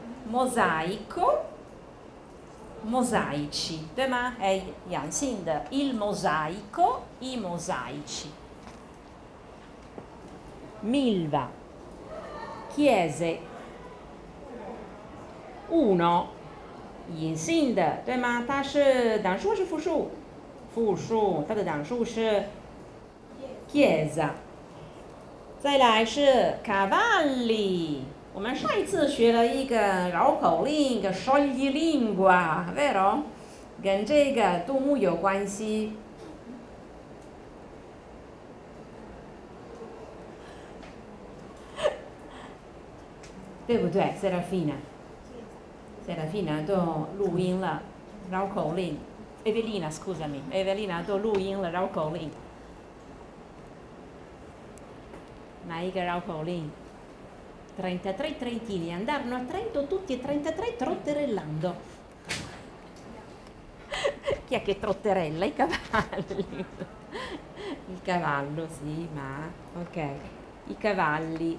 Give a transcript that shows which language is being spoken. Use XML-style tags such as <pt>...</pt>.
<it>Mosaico, mosaici,</it> <zh>对吗？</zh> <it>哎，阳性的 ，il mosaico, i mosaici.</it> <zh>Milva, chiese, uno, 隐性的，对吗？它是单数是复数，复数，它的单数是 chiesa. 再来是 cavalli. 我们上一次学了一个绕口令，一个 sciogli lingua， 对不？跟这个动物有关系。对不对 ，Serafina？ Serafina 都录音了绕口令。 Evelina， scusami， Evelina 都录音了绕口令。来一个绕口令。</zh> <it>33 trentini andarono a Trento tutti e 33 trotterellando. Chi è che trotterella? I cavalli. Il cavallo, sì, ma... Ok. I cavalli.</it>